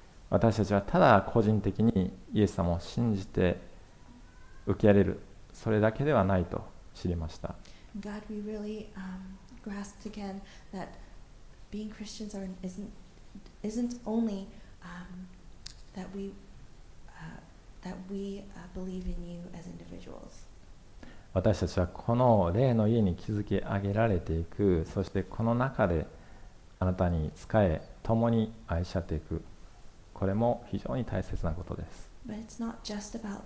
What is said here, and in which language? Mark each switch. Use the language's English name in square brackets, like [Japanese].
[Japanese] 私たちはただ個人的にイエス様を信じて受け入れる、それだけではないと知りました。 [English] God, we really, grasped again that being Christians are, isn't only, believe in you as individuals. [Japanese] 私たちはこの霊の家に築き上げられていく、そしてこの中であなたに仕え、共に愛し合っていく、これも非常に大切なことです。